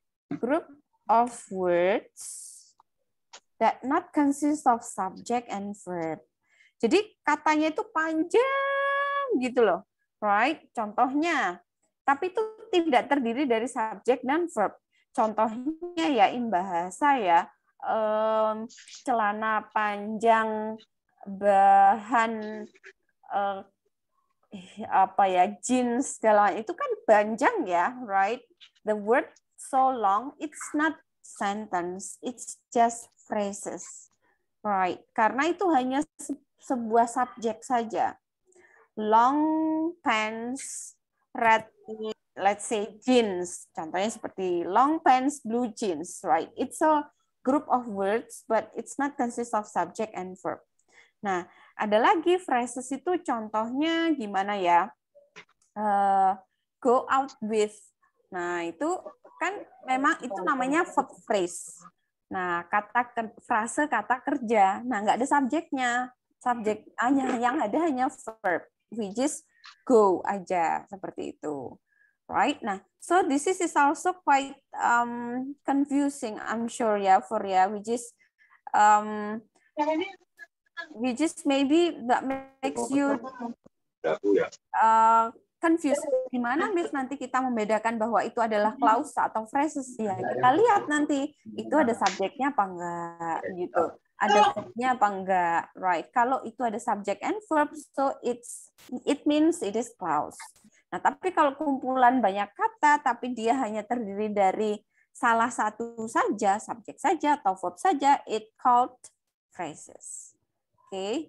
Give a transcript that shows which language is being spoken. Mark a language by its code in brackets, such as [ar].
[en] Group of words that not consist of subject and verb. [id] Jadi katanya itu panjang gitu loh. [en] Right? [id] Contohnya. Tapi itu tidak terdiri dari subject dan verb. Contohnya ya in bahasa ya, celana panjang bahan apa ya, jeans segala itu kan panjang ya, [en] right? The word so long, it's not sentence, it's just phrases. Right? [id] Karena itu hanya sebuah subjek saja. [en] Long pants red, let's say jeans, [id] contohnya seperti [en] long pants blue jeans, right? It's a group of words but it's not consist of subject and verb. [id] Nah, ada lagi phrases itu contohnya gimana ya? [en] Go out with. [id] Nah, itu kan memang itu namanya verb phrase. Nah, kata frase kata kerja. Nah, enggak ada subjeknya. Subjek hanya yang ada hanya verb, [en] which is go [id] aja seperti itu, [en] right? Nah, so this is also quite confusing, I'm sure yeah for ya, which is maybe that makes you confused. [id] Gimana Miss nanti kita membedakan bahwa itu adalah clause atau phrases ya? Kita lihat nanti itu ada subjeknya apa enggak gitu. Ada verb-nya apa enggak, [en] right? [id] Kalau itu ada [en] subject and verb, so it means it is clause. [id] Nah, tapi kalau kumpulan banyak kata, tapi dia hanya terdiri dari salah satu saja, subject saja atau verb saja, [en] it called phrases. [id] Oke, okay?